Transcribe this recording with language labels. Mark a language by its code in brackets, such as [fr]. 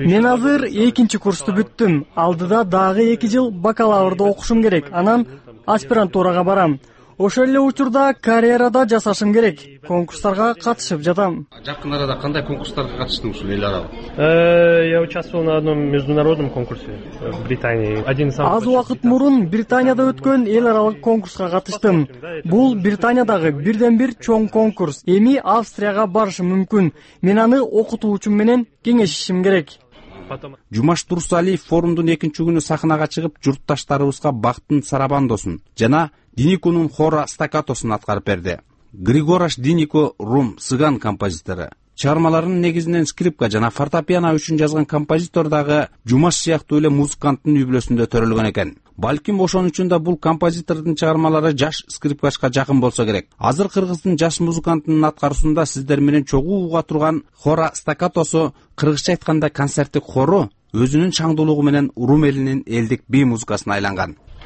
[ky] Мен азыр 2-чи курсту бүттүм. Алдыда дагы 2 жыл бакалаврды окушум керек. Анан аспирантурага барам. Ошол эле учурда карьерада жасашым керек. Конкурстарга катышып жатам. Жакын арада кандай конкурстарга катыштың ушул эл аралык? [ru] Я участвовал на одном международном конкурсе в Британии. Один из самых. [ky] Аз убакыт мурун Британияда өткөн эл аралык конкурска катыштым. Бул Британиядагы бирден бир чоң конкурс. Эми Австрияга барышым мүмкүн. Мен аны окутуучум менен кеңешишим керек. Жумаш Турсалиев форумдун 2-чи күнү сахнага чыгып, журтташтарыбызга бактын сарабандосун жана Динико'нун хора стакатосун аткарып берди. Григораш Динико рум сыган композитору. Чыгармаларын негизинен скрипка жана фортепиано үчүн жазган композитор дагы Жумаш сыяктуу эле музыканттын үй-бүлөсүндө төрөлгөн экен. Балким ошон үчүн да бул композитордун чыгармалары жаш скрипкачка жакын болсо керек. Азыр кыргыздын жаш музыкантынын аткаруусунда сиздер менен чогуу уга турган хора стакатосу, кыргызча айтканда концерттик хору өзүнүн чаңдуулугу менен рум элинин элдик би музыкасына айланган.